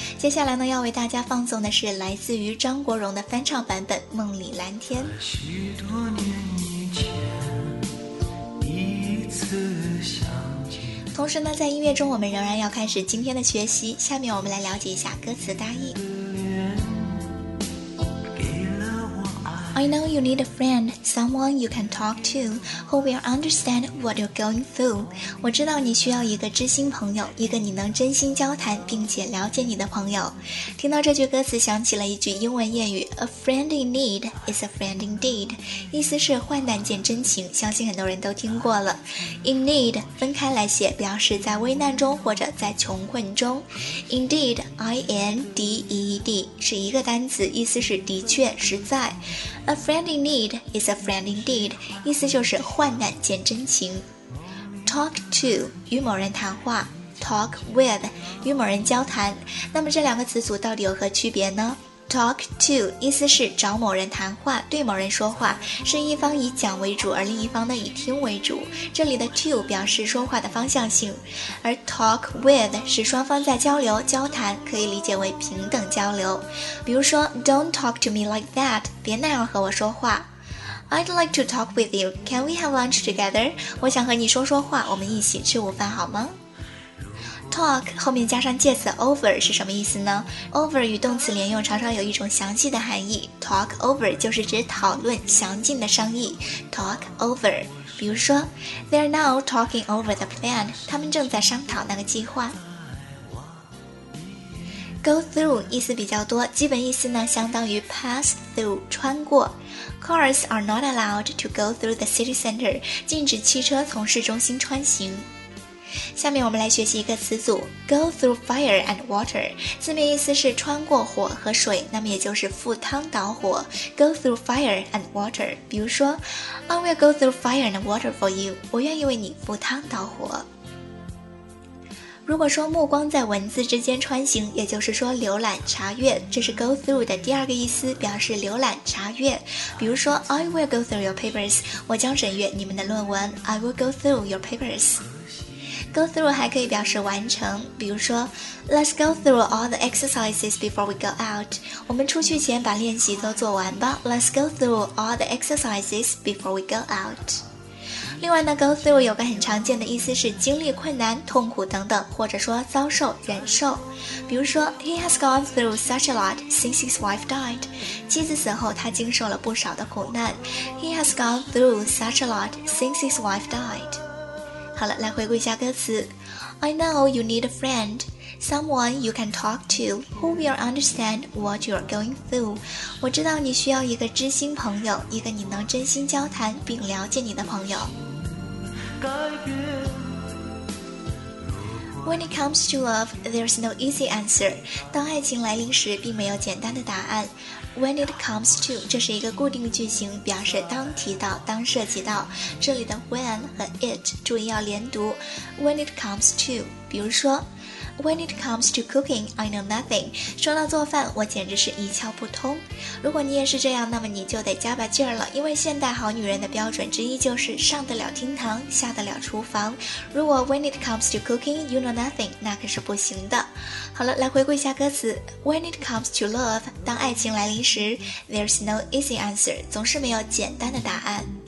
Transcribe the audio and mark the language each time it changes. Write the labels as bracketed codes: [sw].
[zh] 接下来呢要为大家放送的是来自于张国荣的翻唱版本《梦里蓝天》。许多年以前一次想，同时呢在音乐中我们仍然要开始今天的学习，下面我们来了解一下歌词大意。 [en] I know you need a friend, someone you can talk to, who will understand what you're going through. [zh] 我知道你需要一个知心朋友，一个你能真心交谈并且了解你的朋友。听到这句歌词想起了一句英文谚语， [en] A friend in need is a friend indeed, [zh] 意思是患难见真情，相信很多人都听过了。 In need 分开来写表示在危难中或者在穷困中， Indeed, I-N-D-E-E-D 是一个单词，意思是的确实在。 [en] A friend in need is a friend indeed, [zh] 意思就是患难见真情。 Talk to 与某人谈话，Talk with 与某人交谈，那么这两个词组到底有何区别呢？ talk to 意思是找某人谈话，对某人说话，是一方以讲为主，而另一方呢以听为主。这里的 to 表示说话的方向性，而 talk with 是双方在交流交谈，可以理解为平等交流。比如说 [en] don't talk to me like that， [zh] 别那样和我说话。 [en] I'd like to talk with you. Can we have lunch together? [zh] 我想和你说说话，我们一起吃午饭好吗？Talk 后面加上介词 over 是什么意思呢？ Over 与动词连用常常有一种详细的含义， Talk over 就是指讨论详尽的商议， Talk over。比如说 [en] They're now talking over the plan， [zh] 他们正在商讨那个计划。 Go through 意思比较多，基本意思呢相当于 pass through 穿过。 [en] Cars are not allowed to go through the city center， [zh] 禁止汽车从市中心穿行。下面我们来学习一个词组 Go through fire and water， 字面意思是穿过火和水，那么也就是赴汤蹈火。 [en] Go through fire and water， [zh] 比如说 [en] I will go through fire and water for you， [zh] 我愿意为你赴汤蹈火。如果说目光在文字之间穿行，也就是说浏览查阅，这是 go through 的第二个意思，表示浏览查阅。比如说 [en] I will go through your papers， [zh] 我将审阅你们的论文。 [en] I will go through your papers。 [zh] Go through 还可以表示完成，比如说 [en] Let's go through all the exercises before we go out， [zh] 我们出去前把练习都做完吧。 [en] Let's go through all the exercises before we go out。 [zh] 另外呢 go through 有个很常见的意思是经历困难痛苦等等，或者说遭受忍受。比如说 [en] He has gone through such a lot since his wife died， [zh] 妻子死后他经受了不少的苦难。 [en] He has gone through such a lot since his wife died。 [zh] 好了，来回顾一下歌词。 [en] I know you need a friend， someone you can talk to who will understand what you're going through。 [zh] 我知道你需要一个知心朋友，一个你能真心交谈并了解你的朋友。 [en] When it comes to love, there's no easy answer. [zh] 当爱情来临时，并没有简单的答案。 [en] When it comes to, [zh] 这是一个固定句型，表示当提到、当涉及到。这里的 when 和 it 注意要连读。 [en] When it comes to, [zh] 比如说 [en] When it comes to cooking, I know nothing. [zh] 说到做饭，我简直是一窍不通。如果你也是这样，那么你就得加把劲儿了，因为现代好女人的标准之一就是上得了厅堂，下得了厨房。如果 [en] When it comes to cooking, you know nothing, [zh] 那可是不行的。好了，来回顾一下歌词。 [en] When it comes to love, [zh] 当爱情来临时 [en] There's no easy answer, [zh] 总是没有简单的答案。